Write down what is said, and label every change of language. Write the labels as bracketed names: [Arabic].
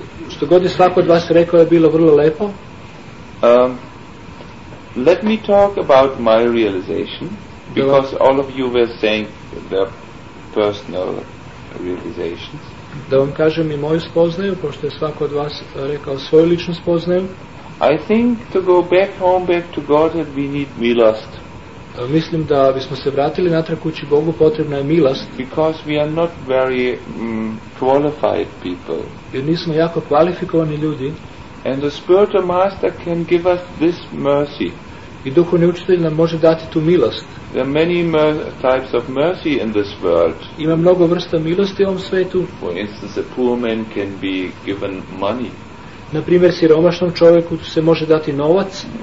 [Serbian] Što god je svako od vas rekao je bilo vrlo lepo. [English] Let me talk about my realization, because all of you were saying their personal realizations. [Serbian] Da vam kažem i moju spoznaju, pošto je svako od vas rekao svoju ličnu spoznaju. [English] I think to go back home, back to Godhead, we need milost. [Serbian] Mislim da bismo se vratili natrag kući Bogu, potrebna je milost. [English] Because we are not very qualified people. [Serbian] Jer nismo jako kvalifikovani ljudi. [English] And the spiritual master can give us this mercy. [Serbian] I duhovni učitelj nam može dati tu milost. [English] There are many types of mercy in this world. [Serbian] Ima mnogo vrsta milosti u ovom svetu. [English] For instance, a poor man can be given money. [Serbian] Na primjer, siromašnom čovjeku se može dati novac